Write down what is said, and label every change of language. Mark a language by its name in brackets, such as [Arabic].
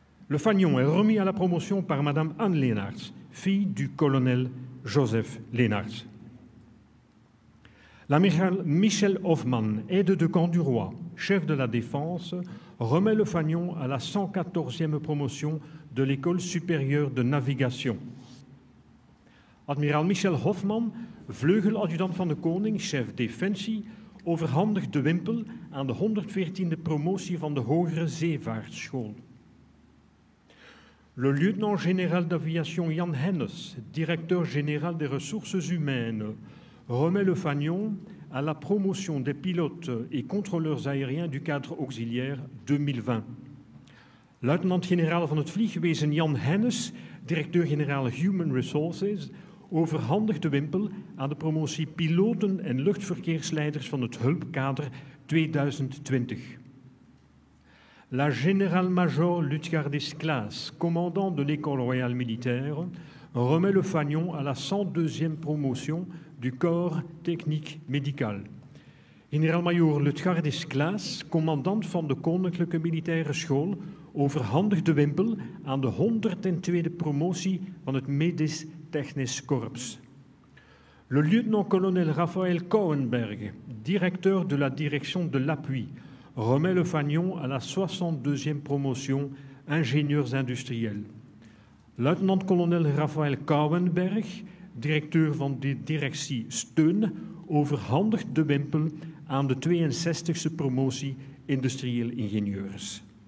[French] Le fanion est remis à la promotion par Madame Anne Leenaerts, fille du colonel Joseph Leenaerts. L'amiral Michel Hoffmann, aide de camp du roi, chef de la défense, remet le fanion à la 114e promotion de l'école supérieure de navigation. [Dutch] Admiral Michel Hoffmann, vleugeladjudant van de koning, chef defensie, overhandigt de wimpel aan de 114e promotie van de hogere zeevaartschool. [French] Le lieutenant-général d'aviation Jan Hennes, directeur-général des ressources humaines, remet le fanion à la promotion des pilotes et contrôleurs aériens du cadre auxiliaire 2020. [Dutch] Lieutenant-général van het vliegwezen Jan Hennes, directeur-général Human Resources, overhandigt de wimpel aan de promotie piloten en luchtverkeersleiders van het hulpkader 2020. [French] La generaal-major Lutgardis Klaas, commandant de l'école royale militaire, remet le fanion à la 102e promotion du corps technique médical. [Dutch] Generaal-major Lutgardis Klaas, commandant van de Koninklijke Militaire School, overhandigt de wimpel aan de 102e promotie van het medisch technisch korps. [French] Le lieutenant-colonel Raphaël Kouwenberg, directeur de la direction de l'appui, remet le fanion à la 62e promotion ingénieurs industriels. [Dutch] Lieutenant-colonel Raphaël Kouwenberg, directeur van de directie Steun, overhandigt de wimpel aan de 62e promotie industrieel ingenieurs.